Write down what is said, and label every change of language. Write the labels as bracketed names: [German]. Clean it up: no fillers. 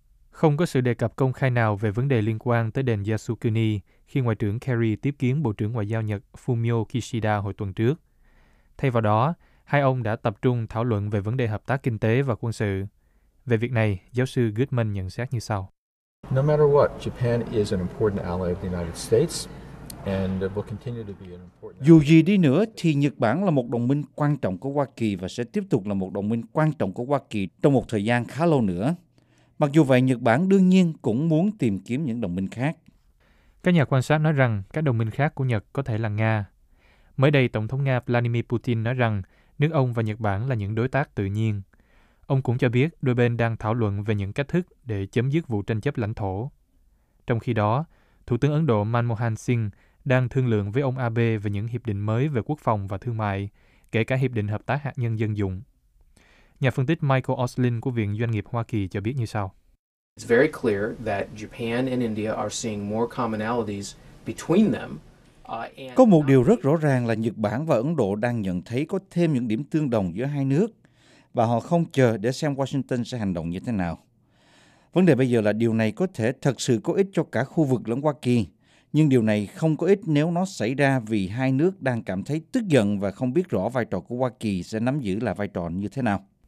[Vietnamese] Không có sự đề cập công khai nào về vấn đề liên quan tới đền Yasukuni khi Ngoại trưởng Kerry tiếp kiến Bộ trưởng Ngoại giao Nhật Fumio Kishida hồi tuần trước. Thay vào đó, hai ông đã tập trung thảo luận về vấn đề hợp tác kinh tế và quân sự. Về việc này, giáo sư Goodman nhận xét như sau. [English] No matter what, Japan is an important ally of the United States and will continue to be an important. [Vietnamese] Dù gì đi nữa thì Nhật Bản là một đồng minh quan trọng của Hoa Kỳ và sẽ tiếp tục là một đồng minh quan trọng của Hoa Kỳ trong một thời gian khá lâu nữa. Mặc dù vậy, Nhật Bản đương nhiên cũng muốn tìm kiếm những đồng minh khác. Các nhà quan sát nói rằng các đồng minh khác của Nhật có thể là Nga. Mới đây, Tổng thống Nga Vladimir Putin nói rằng nước ông và Nhật Bản là những đối tác tự nhiên. Ông cũng cho biết đôi bên đang thảo luận về những cách thức để chấm dứt vụ tranh chấp lãnh thổ. Trong khi đó, Thủ tướng Ấn Độ Manmohan Singh đang thương lượng với ông Abe về những hiệp định mới về quốc phòng và thương mại, kể cả hiệp định hợp tác hạt nhân dân dụng. Nhà phân tích Michael Oslin của Viện Doanh nghiệp Hoa Kỳ cho biết như sau. [English] It's very clear that Japan and India are seeing more commonalities between them. [Vietnamese] Có một điều rất rõ ràng là Nhật Bản và Ấn Độ đang nhận thấy có thêm những điểm tương đồng giữa hai nước và họ không chờ để xem Washington sẽ hành động như thế nào. Vấn đề bây giờ là điều này có thể thật sự có ích cho cả khu vực lẫn Hoa Kỳ, nhưng điều này không có ích nếu nó xảy ra vì hai nước đang cảm thấy tức giận và không biết rõ vai trò của Hoa Kỳ sẽ nắm giữ là vai trò như thế nào.